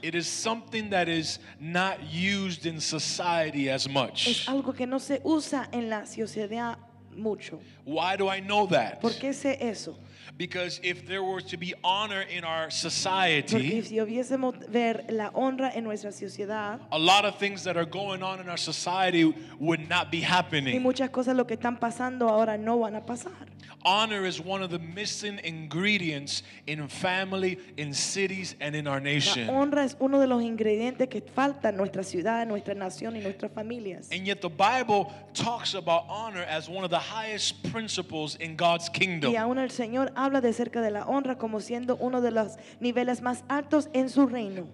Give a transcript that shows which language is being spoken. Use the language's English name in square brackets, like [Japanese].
[English] it is something that is not used in society as much. [Spanish] Es algo que no se usa en la sociedad mucho. [English] Why do I know that? [Spanish] ¿Por qué sé eso? [English] Because if there were to be honor in our society, [Spanish] porque si hubiésemos ver la honra en nuestra sociedad, [English] a lot of things that are going on in our society would not be happening. [Spanish] Y muchas cosas lo que están pasando ahora no van a pasar. [English] Honor is one of the missing ingredients in family, in cities, and in our nation. [Spanish] La honra es uno de los ingredientes que falta en nuestra ciudad, en nuestra nación y nuestras familias. [English] And yet the Bible talks about honor as one of the highest principles in God's kingdom. [Spanish] Y aún el Señor habla de cerca de la honra como siendo uno de los niveles más altos en su reino.